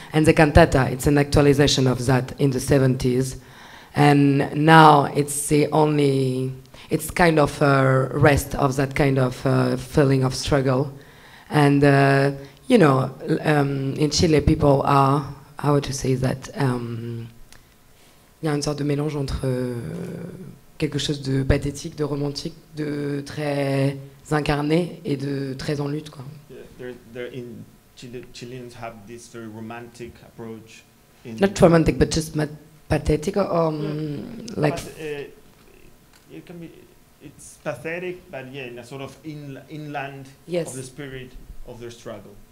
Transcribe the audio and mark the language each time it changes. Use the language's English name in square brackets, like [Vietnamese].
[English] And the cantata, it's an actualization of that in the 70s. And now it's kind of a rest of that kind of feeling of struggle. And, you know, in Chile, people are, how to say that? [French] Il y a une sorte de mélange entre quelque chose de pathétique, de romantique, de très incarné et de très en lutte, quoi. [English] Yeah, they're in Chileans have this very romantic approach. Not romantic, but just pathetic, it can be. It's pathetic, but yeah, in a sort of inland, yes, of the spirit of their struggle.